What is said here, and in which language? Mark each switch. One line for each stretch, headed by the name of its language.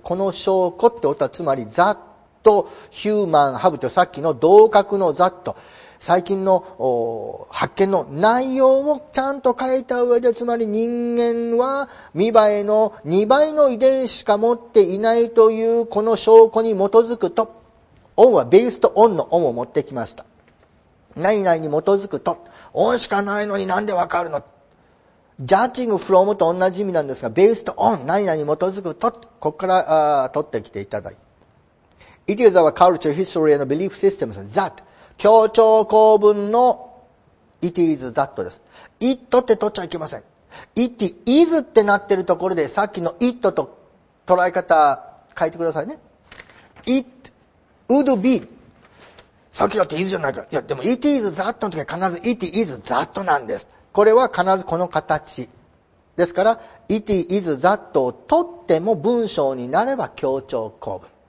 Japanese: この証拠ってことはつまりザットヒューマンハブとさっきの同格のザット最近の発見の内容をちゃんと書いた上で、つまり人間は見栄えの2倍の遺伝子しか持っていないというこの証拠に基づくと、オンはベースとオンのオンを持ってきました。何々に基づくと、オンしかないのになんでわかるの。ジャッジングフロムと同じ意味なんですが、ベースとオン、何々に基づくと、ここから取ってきていただいて。
English: It is our culture, history and belief systems that,
Japanese: 協調構文の
English: It is that です。
Japanese: It って取っちゃいけません。It is ってなってるところで、さっきの It と捉え方変えてくださいね。
English: It would be、
Japanese: さっきだって is じゃないか。いや、でも
English: it is that
Japanese: の時は必ず it is that なんです。これは必ずこの形。ですから、
English: it is that
Japanese: を取っても文章になれば協調構文。